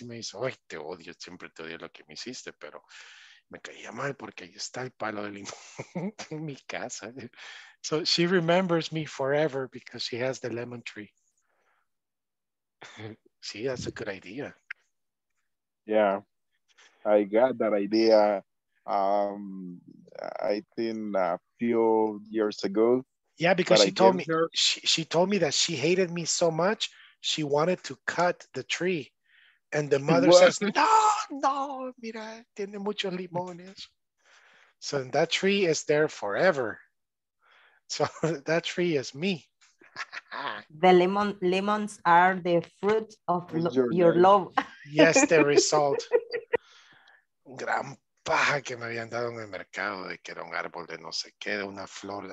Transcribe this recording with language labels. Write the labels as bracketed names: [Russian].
[Spanish] Y me dice, ay, te odio, siempre te odio lo que me hiciste, pero me caía mal porque ahí está el palo de limón en mi casa. [English] So she remembers me forever because she has the lemon tree. [Spanish] Sí, [English] that's a good idea. Yeah, I got that idea. I think a few years ago. Yeah, because she told me, she told me that she hated me so much she wanted to cut the tree. And the mother says, [Spanish] no, mira, tiene muchos limones. [English] So that tree is there forever. So that tree is me. The lemons are the fruit of your love. Yes, the result. [Spanish] Gran paja que me habían dado en el mercado de que era un árbol de no sé qué, de una flor.